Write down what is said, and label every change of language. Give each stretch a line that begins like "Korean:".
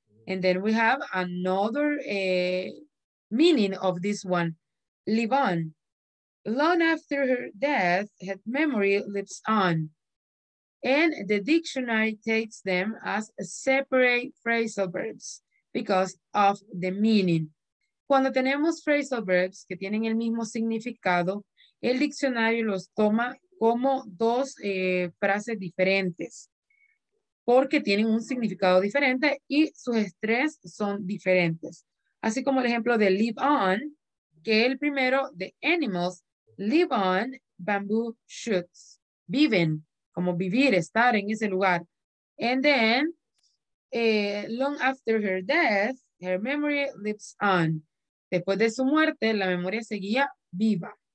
English: And then we have another meaning of this one, live on. Long after her death, her memory lives on. And the dictionary takes them as separate phrasal verbs because of the meaning.
Spanish: Cuando tenemos phrasal verbs que tienen el mismo significado, el diccionario los toma como dos frases diferentes porque tienen un significado diferente y sus estrés son diferentes. Así como el ejemplo de live on, que el primero de
English: animals, live on bamboo shoots,
Spanish: viven, como vivir, estar en ese lugar.
English: And then, long after her death, her memory lives on.
Spanish: Después de su muerte, la memoria seguía viva.